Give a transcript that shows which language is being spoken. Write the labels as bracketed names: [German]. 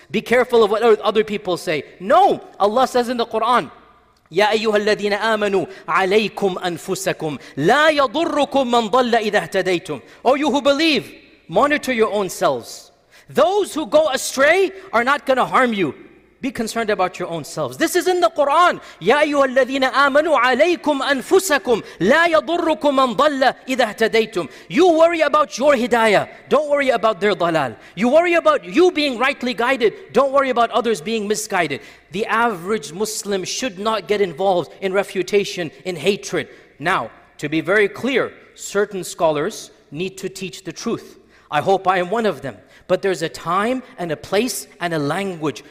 [English] Be careful of what other people say. No, Allah says in the Quran, [Arabic] يَا أَيُّهَا الَّذِينَ آمَنُوا عَلَيْكُمْ أَنفُسَكُمْ لَا يَضُرُّكُمْ مَنْ ضَلَّ إِذَا اهْتَدَيْتُمْ [English] Oh, you who believe, monitor your own selves. Those who go astray are not going to harm you. Be concerned about your own selves. This is in the Quran. [Arabic] يَا أَيُّهَا الَّذِينَ آمَنُوا عَلَيْكُمْ أَنفُسَكُمْ لَا يَضُرُّكُمْ مَنْ ضَلَّ إِذَا اهْتَدَيْتُمْ [English] You worry about your hidayah. Don't worry about their dalal. You worry about you being rightly guided. Don't worry about others being misguided. The average Muslim should not get involved in refutation, in hatred. Now, to be very clear, certain scholars need to teach the truth. I hope I am one of them. But there's a time and a place and a language.